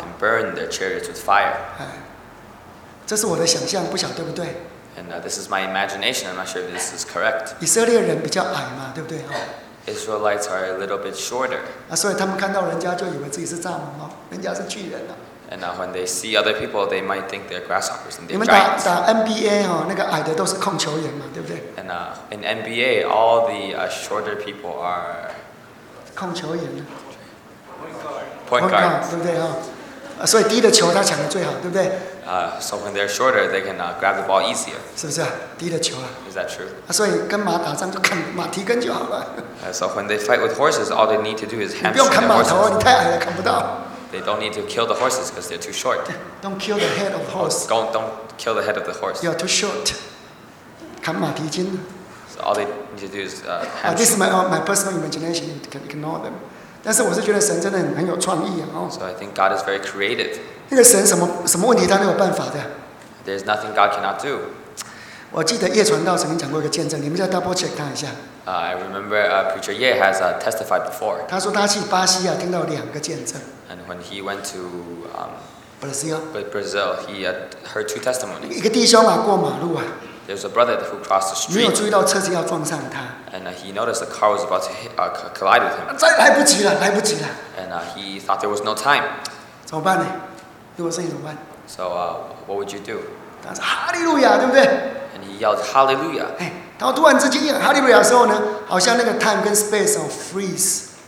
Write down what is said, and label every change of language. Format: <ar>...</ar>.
<en>And burn their chariots with fire.</en> <zh>这是我的想象，不晓得对不对。</zh> <en>And this is my imagination. I'm not sure if this is correct.</en> <zh>以色列人比较矮嘛，对不对？</zh> <en>Israelites are a little bit shorter.</en> <zh>所以他们看到人家就以为自己是蚱蜢哦，人家是巨人哦。</zh> <en>And when they see other people, they might think they're grasshoppers and they're giants.</en> <zh>你们打 NBA 哦，那个矮的都是控球员嘛，对不对？</zh> <en>And in NBA, all the shorter people are</en> <zh>控球员呢。</zh> <en>Point guard,</en> <zh>对不对？所以低的球他抢的最好，对不对？</zh> <en>So when they're shorter, they can grab the ball easier.</en> <zh>是不是啊？低的球啊。</zh> <en>Is that true?</en> <zh>所以跟马打仗就砍马蹄根就好了。</zh> <en>So when they fight with horses, all they need to do is hamstring their horses.</en> <zh>你不用砍马头，你太矮了，砍不到。</zh> <en>They don't need to kill the horses because they're too short. Don't kill the head of the horse. Don't kill the head of the horse. You're too short.</en> <zh>砍马蹄筋。</zh> <en>So all they need to do is This is my personal imagination. You can ignore them.</en> <zh>但是我是觉得神真的很有创意啊！哦</zh> <en>，So I think God is very creative.</en> <zh>那个神什么问题他都有办法的。</zh> <en>There's nothing God cannot do.</en> <zh>我记得叶传道曾经讲过一个见证，你们再 double check 他一下。</zh> <en>I remember preacher Ye has testified before.</en> <zh>他说他去巴西啊，听到两个见证。</zh> <en>And when he went to Brazil, he had heard two testimonies.</en> <zh>一个弟兄啊，过马路啊。</zh> <en>There's a brother who crossed the street.</en> <zh>没有注意到车子要撞上他。</zh> <en>And he noticed the car was about to collide with him.</en> <zh>来不及了，来不及了。</zh> <en>And he thought there was no time.</en> <zh>怎么办呢？如果是你怎么办</zh> <en>？So what would you do?</en> <zh>他说哈利路亚，对不对</zh> <en>？And he yelled Hallelujah.</en> <zh>哎，然后突然之间哈利路亚的时候呢，好像那个 time 跟 space 哦 freeze.</zh>